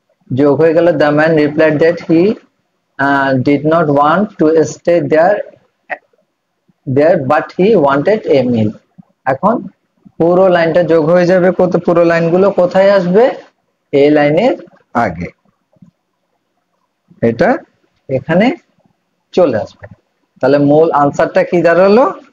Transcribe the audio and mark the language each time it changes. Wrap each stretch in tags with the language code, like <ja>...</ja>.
<bn>যোগ হয়ে গেল,</bn> <en>The man replied that he did not want to stay there but he wanted a meal.</en> <bn>এখন পুরো লাইনটা যোগ হয়ে যাবে, কত পুরো লাইনগুলো কোথায় আসবে? এই লাইনের আগে, এটা এখানে চলে আসবে। তাহলে মূল আনসারটা কি দাঁড়ালো?</bn>